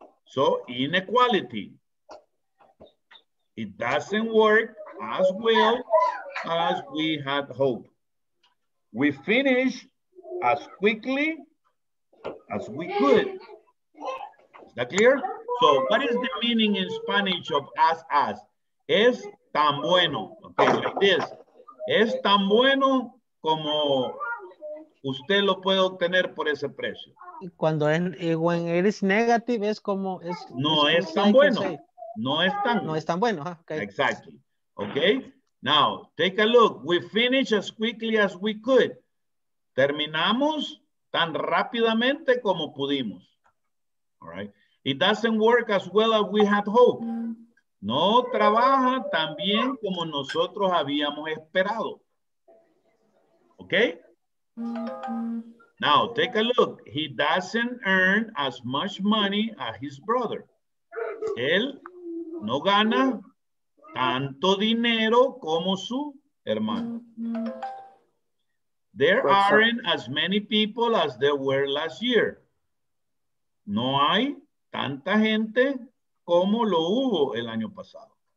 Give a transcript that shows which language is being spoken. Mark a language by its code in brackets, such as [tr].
[en] So, inequality, it doesn't work as well as we had hoped. We finished as quickly as we could. Is that clear? So, what is the meaning in Spanish of as? [es] Es tan bueno. Okay, [en] like this. [es] Es tan bueno como usted lo puede obtener por ese precio. Cuando [en] when it is negative, [es] es como es, no es tan bueno. No es tan bueno. [en] Okay. Exactly. Okay. Now take a look. We finish as quickly as we could. [es] Terminamos tan rápidamente como pudimos. [en] All right. It doesn't work as well as we had hoped. [es] No trabaja tan bien como nosotros habíamos esperado. Okay. [en] Now, take a look. He doesn't earn as much money as his brother. [es] Él no gana tanto dinero como su hermano. [en] There aren't as many people as there were last year. [es] No hay tanta gente como lo hubo el año pasado.